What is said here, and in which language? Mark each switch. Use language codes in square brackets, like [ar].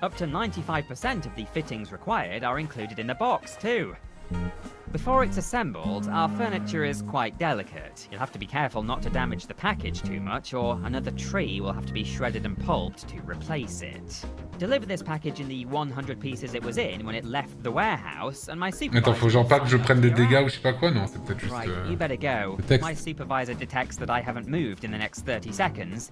[en] Up to 95% of the fittings required are included in the box, too. Before it's assembled, our furniture is quite delicate. You'll have to be careful not to damage the package too much, or another tree will have to be shredded and pulped to replace it. Deliver this package in the 100 pieces it was in when it left the warehouse, and my supervisor... [fr] Attends, faut j'en parle que je prenne des dégâts ou je sais pas quoi, non, c'est peut-être juste... [en] Right, you better go. My supervisor detects that I haven't moved in the next 30 seconds.